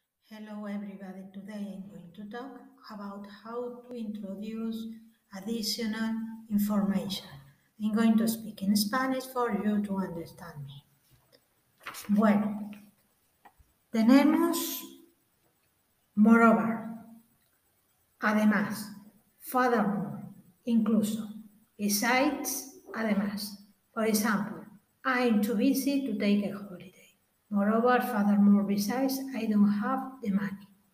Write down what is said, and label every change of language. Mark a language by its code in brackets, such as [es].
[en] Hello everybody, today I'm going to talk about how to introduce additional information. I'm going to speak in Spanish for you to understand me. [es] Bueno, tenemos, moreover, además, furthermore, incluso, besides, además. [en] For example, I'm too busy to take a holiday. Moreover, furthermore, besides, I don't have the money.